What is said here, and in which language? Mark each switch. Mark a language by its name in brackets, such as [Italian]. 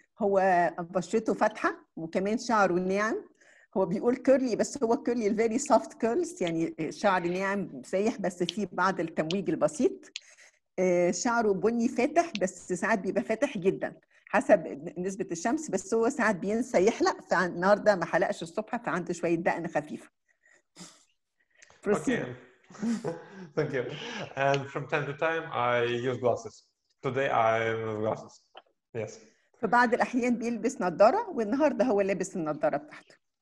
[Arabic] هو بشرته فاتحة وكمان شعره ناعم. هو بيقول كيرلي بس هو كيرلي الفيري سوفت كيرلز، يعني شعر ناعم سايح بس فيه بعض التمويج البسيط. شعره بني فاتح بس ساعات بيبقى فاتح جدا حسب نسبة الشمس، بس هو ساعات بينسى يحلق، فالنهارده ما حلقش الصبح فعنده شوية دقن خفيفة. [English] Proceed. Okay. Thank you. And from time to time I use glasses. Today I use glasses. Yes. [Arabic] فبعض الأحيان بيلبس نظارة والنهاردة هو لابس النظارة بتاعته.